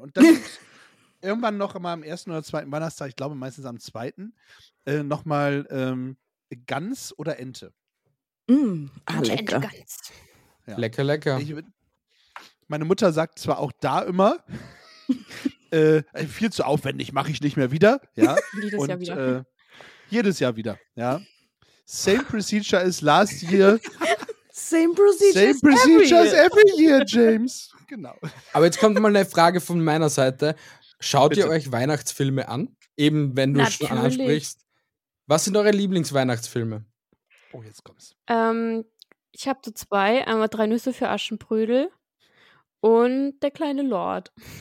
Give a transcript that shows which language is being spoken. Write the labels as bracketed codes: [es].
[de] Und das ist irgendwann noch mal am ersten oder zweiten Weihnachtstag, ich glaube meistens am zweiten, nochmal Gans oder Ente. Lecker. Ente-Gans. Ja. Lecker, lecker. Meine Mutter sagt zwar auch da immer, viel zu aufwendig, mache ich nicht mehr wieder. Ja? Jedes Jahr wieder. Ja. [en] Same procedure as last year. Same procedure as every year, James. [de] Genau. Aber jetzt kommt mal eine Frage von meiner Seite. Schaut Bitte. Ihr euch Weihnachtsfilme an? Eben, wenn du Natürlich. Schon ansprichst. Was sind eure Lieblingsweihnachtsfilme? Oh, jetzt kommt's. Ich habe so zwei, einmal Drei Nüsse für Aschenbrödel und Der kleine Lord.